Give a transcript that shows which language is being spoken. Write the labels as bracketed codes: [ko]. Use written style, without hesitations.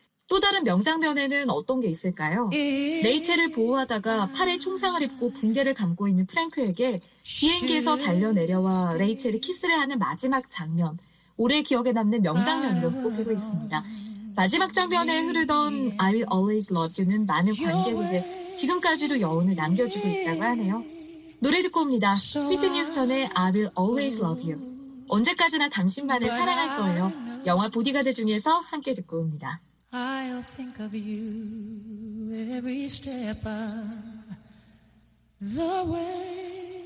[ko] 또 다른 명장면에는 어떤 게 있을까요? 레이첼을 보호하다가 팔에 총상을 입고 붕대를 감고 있는 프랭크에게 비행기에서 달려내려와 레이첼이 키스를 하는 마지막 장면, 오래 기억에 남는 명장면으로 꼽히고 있습니다. 마지막 장면에 흐르던 I'll always love you는 많은 관객에게 지금까지도 여운을 남겨주고 있다고 하네요. 노래 듣고 옵니다. 휘트니 휴스턴의 I'll always love you. 언제까지나 당신만을 사랑할 거예요. 영화 보디가드 중에서 함께 듣고 옵니다. [en] I'll think of you every step of the way.